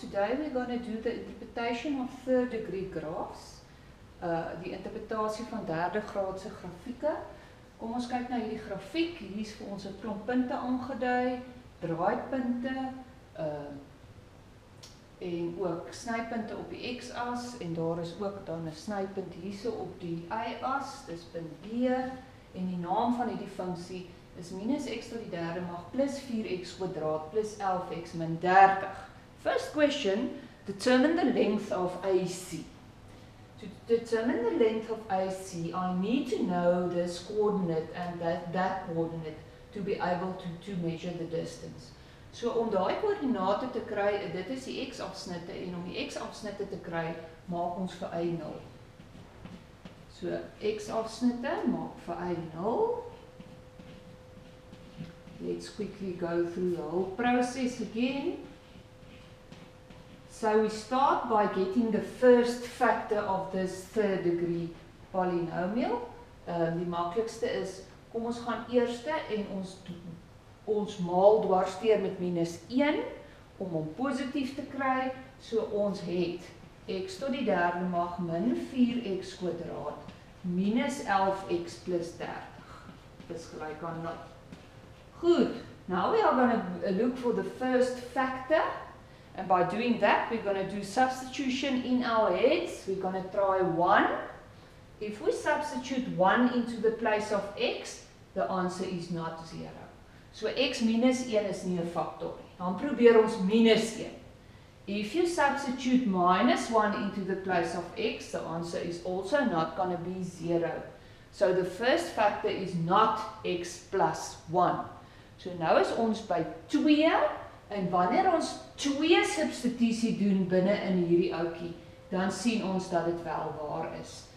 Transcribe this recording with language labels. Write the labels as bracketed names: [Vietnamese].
[English] Today we're going to do the interpretation of third degree graphs. [Afrikaans] Die interpretatie van 3degraadse grafieke. Kom ons kyk na hierdie grafiek. Hier is vir ons 'n klomp punte aangedui, draaipunte, en ook snypunte op die x-as, en daar is ook dan 'n snypunt hierso op die y-as, dis punt B, en die naam van hierdie funksie is minus x tot die derde mag plus 4x kwadraat plus 11x min 30. [English] First question, determine the length of AC. To determine the length of AC, I need to know this coordinate and that coordinate to be able to measure the distance. [Afrikaans] So om daai koördinate te kry, dit is die x-afsnitte, en om die x-afsnitte te kry, maak ons vir y 0. So x-afsnitte maak vir y 0. [English] Let's quickly go through the whole process again. So we start by getting the first factor of this third degree polynomial. [Afrikaans] Die makkelijkste is, kom ons gaan eerste en ons maal dwarsteer met minus 1 om hom positief te kry. So ons het x tot die derde mag min 4x kwadraat minus 11x plus 30. Dis gelyk aan 0. Good. [English] Now we are going to look for the first factor, and by doing that we're going to do substitution in our heads. We're going to try 1. If we substitute 1 into the place of x, the answer is not 0. [Afrikaans] So x minus 1 is nie 'n faktor nie. Dan probeer ons minus 1. [English] If you substitute minus 1 into the place of x, the answer is also not going to be 0. So the first factor is not x plus 1. [Afrikaans] So nou is ons by 2, en wanneer ons 2 substitusie doen binne in hierdie ouetjie, dan sien ons dat dit wel waar is.